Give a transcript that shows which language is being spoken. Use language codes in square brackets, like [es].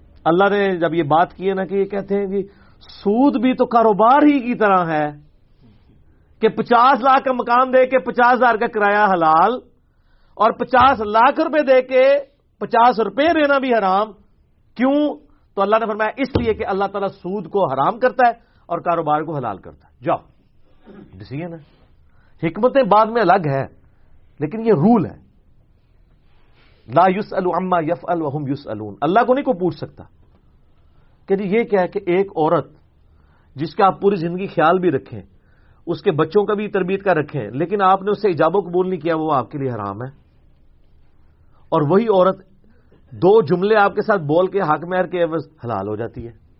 [ur] اللہ نے جب یہ بات کی ہے نا کہ یہ کہتے ہیں کہ سود بھی تو کاروبار ہی کی طرح ہے کہ پچاس لاکھ کا مکان دے کے پچاس ہزار کا کرایہ حلال اور پچاس لاکھ روپے دے کے پچاس روپے رہنا بھی حرام. کیوں؟ تو اللہ نے فرمایا اس لیے کہ اللہ تعالیٰ سود کو حرام کرتا ہے اور کاروبار کو حلال کرتا ہے. جاؤ ڈیسیژن ہے، حکمتیں بعد میں الگ ہیں لیکن یہ رول ہے. [ar] لا یسأل عما یفعل وهم یسألون. [ur] اللہ کو نہیں کوئی پوچھ سکتا کہ یہ کیا ہے کہ ایک عورت جس کا آپ پوری زندگی خیال بھی رکھیں، اس کے بچوں کا بھی تربیت کا رکھیں، لیکن آپ نے اس سے ایجاب و قبول نہیں کیا، وہ آپ کے لیے حرام ہے. اور وہی عورت دو جملے آپ کے ساتھ بول کے حق مہر کے عوض حلال ہو جاتی ہے.